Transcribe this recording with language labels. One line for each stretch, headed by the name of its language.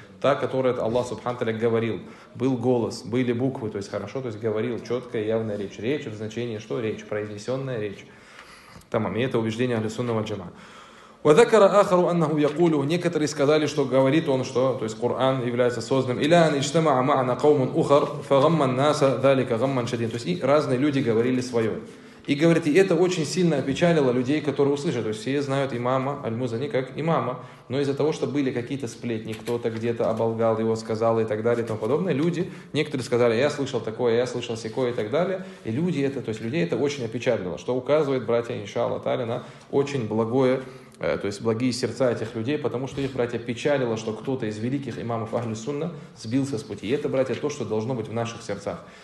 Russian: Та, которую Аллах, субханаху тааля, говорил. Был голос, были буквы, то есть хорошо, то есть говорил четкая, явная речь. Речь в значении что? Речь, произнесенная речь. Тамам. И это убеждение Ахли Сунна валь Джамаа.
Arabic: وَذَكَرَ آخَرُ أَنَّهُ يَقُولُ
Russian: Некоторые сказали, что говорит он, что, то есть Коран является созданным.
Arabic: إِلَا أَنْ اِجْتَمَعَ مَعَنَا قَوْمٌ أُخَرْ فَغَمَّ النَّاسَ ذَلِكَ غَمَّنْ شَدِينَ
Russian: То есть и разные люди говорили свое. И говорит, и это очень сильно опечалило людей, которые услышали. То есть все знают имама Аль-Музани как имама. Но из-за того, что были какие-то сплетни, кто-то где-то оболгал его, сказал и так далее и тому подобное, люди, некоторые сказали, я слышал такое, я слышал сякое и так далее. И люди это, то есть людей это очень опечалило, что указывает, братья, иншаллах тааля, на очень благое, то есть благие сердца этих людей, потому что их, братья, печалило, что кто-то из великих имамов Ахль-Сунна сбился с пути. И это, братья, то, что должно быть в наших сердцах.